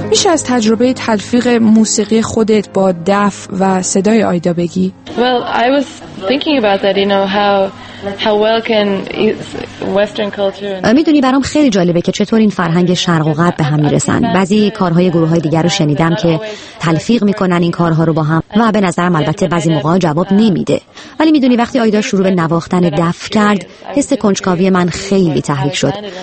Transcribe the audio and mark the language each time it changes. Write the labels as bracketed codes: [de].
[fa] از تجربه تلفیق موسیقی خودت با دف و صدای آیدا بگی؟ [en] Well, I was thinking about that, you know, how well can Western culture. [fa] میدونی برام خیلی جالبه که چطور این فرهنگ شرق و غرب به هم میرسن. بعضی کارهای گروهای دیگر رو شنیدم که تلفیق میکنن این کارها رو با هم و به نظرم البته بعضی موقعا جواب نمیده. ولی میدونی وقتی آیدا شروع به نواختن دف کرد، حس کنجکاوی من خیلی تحریک شد.